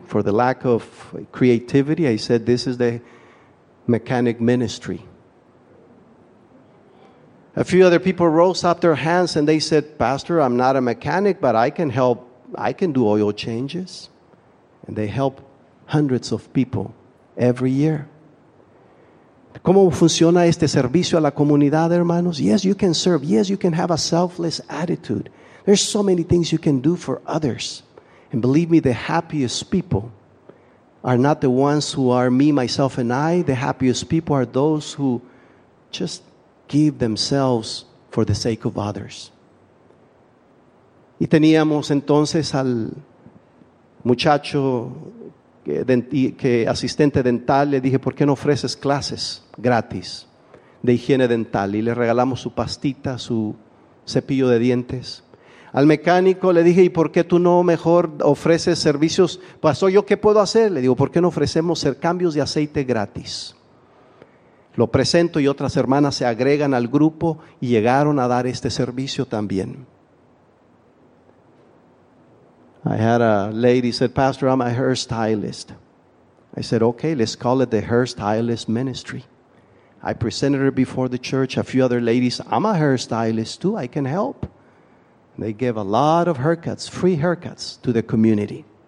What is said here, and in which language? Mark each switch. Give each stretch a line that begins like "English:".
English: For the lack of creativity, I said, this is the mechanic ministry. A few other people rose up their hands and they said, Pastor, I'm not a mechanic, but I can help. I can do oil changes. And they help hundreds of people every year.
Spanish: ¿Cómo funciona este servicio a la comunidad, hermanos?
English: Yes, you can serve. Yes, you can have a selfless attitude. There's so many things you can do for others. And believe me, the happiest people are not the ones who are me, myself, and I. The happiest people are those who just give themselves for the sake of others.
Spanish: Y teníamos entonces al muchacho que asistente dental, le dije, ¿por qué no ofreces clases gratis de higiene dental? Y le regalamos su pastita, su cepillo de dientes. Al mecánico le dije, ¿y por qué tú no mejor ofreces servicios? Pastor, ¿yo qué puedo hacer? Le digo, ¿por qué no ofrecemos cambios de aceite gratis? Lo presento y otras hermanas se agregan al grupo y llegaron a dar este servicio también.
English: I had a lady said, Pastor, I'm a hairstylist. I said, okay, let's call it the hairstylist ministry. I presented her before the church. A few other ladies, I'm a hairstylist too. I can help. They gave a lot of haircuts, free haircuts to the community.